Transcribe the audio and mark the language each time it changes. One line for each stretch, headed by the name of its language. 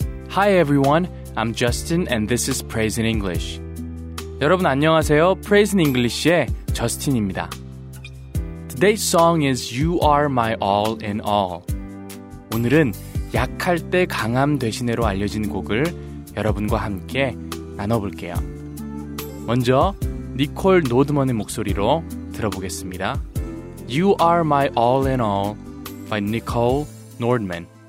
English: Hi everyone, I'm Justin and this is Praise in English.
Korean: 여러분 안녕하세요. Praise in English의 저스틴입니다.
English: Today's song is You Are My All in All.
Korean: 오늘은 약할 때 강함 대신으로 알려진 곡을 여러분과 함께 나눠볼게요. 먼저 니콜 노드먼의 목소리로 들어보겠습니다.
English: You Are My All in All by Nicole Nordman.